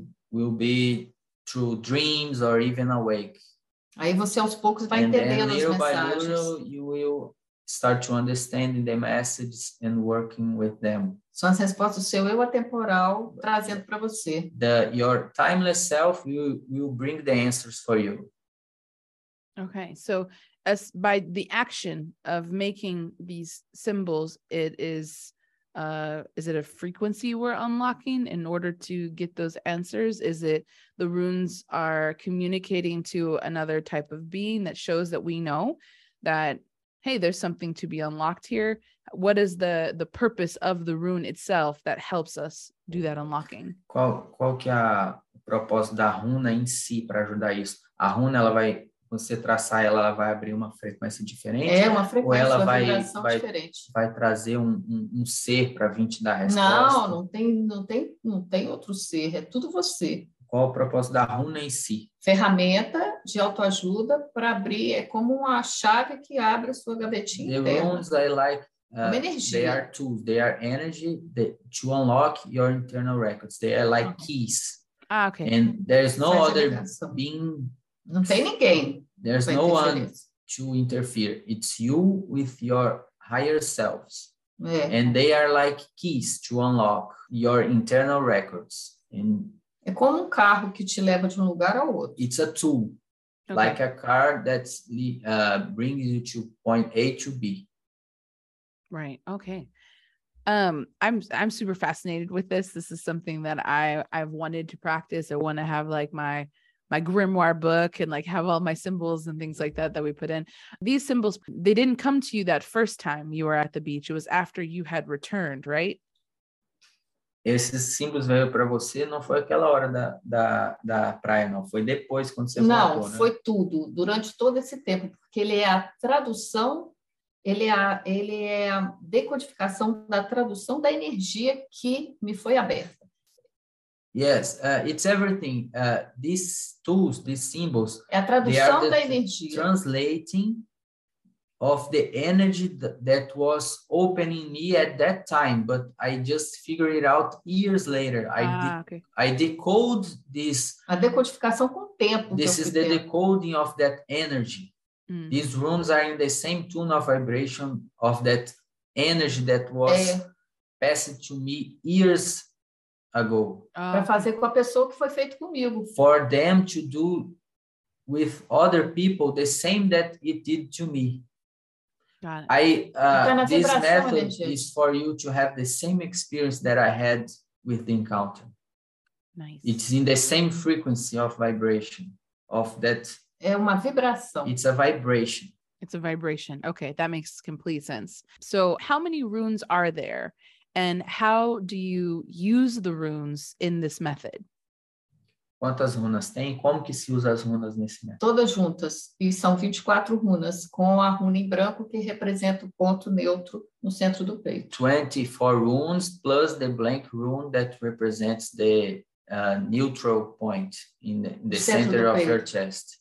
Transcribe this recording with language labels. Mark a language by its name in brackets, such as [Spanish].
[English] Will be through dreams or even awake. [Portuguese] Aí você aos poucos vai entendendo as mensagens. [English] And then little by little you will start to understand the messages and working with them. [Portuguese] São as respostas do seu eu atemporal trazendo para você. [English] Your timeless self will bring the answers for you. Okay, so as by the action of making these symbols, it is it a frequency we're unlocking in order to get those answers? Is it the runes are communicating to another type of being that shows that we know that, hey, there's something to be unlocked here? What is the purpose of the rune itself that helps us do that unlocking? [Portuguese] Qual que é o propósito da runa em si para ajudar isso? A runa, ela vai, você traçar ela, ela vai abrir uma frequência diferente? É, uma frequência, ou ela uma vibração diferente. Vai trazer um ser para vir te dar a resposta? Não, não tem outro ser, é tudo você. Qual o propósito da runa em si? Ferramenta de autoajuda para abrir, é como uma chave que abre a sua gavetinha interna. [English] The runes are like, [Portuguese] uma energia. [English] They are tools, they are energy to unlock your internal records. They are like keys. Ah, okay. And there's no other being. [Portuguese] Não tem ninguém. [English] There's no one to interfere. It's you with your higher selves. [Portuguese] É. [English] And they are like keys to unlock your internal records. And [Portuguese] é como um carro que te leva de um lugar ao outro. [English] It's a tool. Okay. Like a car that brings you to point A to B. Right. Okay. I'm super fascinated with this. This is something that I've wanted to practice. I want to have like my grimoire book and like have all my symbols and things like that we put in. These symbols, they didn't come to you that first time you were at the beach. It was after you had returned, right? [Portuguese] Esses símbolos veio para você, não foi aquela hora da praia, não. Foi depois, quando você não, voltou, né? Não, foi tudo, durante todo esse tempo. Porque ele é a tradução, ele é a decodificação da tradução da energia que me foi aberta. [English] Yes, it's everything. These tools, these symbols... [Portuguese] É a tradução [English] the [Portuguese] da energia. [English] Translating of the energy that was opening me at that time, but I just figured it out years later. I decode this. [Portuguese] A decodificação com o tempo. [English] This is the decoding of that energy. These runes are in the same tune of vibration of that energy that was passed to me years ago. [Portuguese] Para fazer com a pessoa que foi feito comigo. [English] For them to do with other people the same that it did to me. Got it. This method is for you to have the same experience that I had with the encounter. Nice. It's in the same frequency of vibration of that. [Portuguese] É uma vibração. [English] It's a vibration. It's a vibration. Okay, that makes complete sense. So how many runes are there? And how do you use the runes in this method? [Portuguese] Quantas runas tem? Como que se usa as runas nesse método? Todas juntas. E são 24 runas, com a runa em branco que representa o ponto neutro no centro do peito. [English] 24 runes plus the blank rune that represents the neutral point in the center of your chest.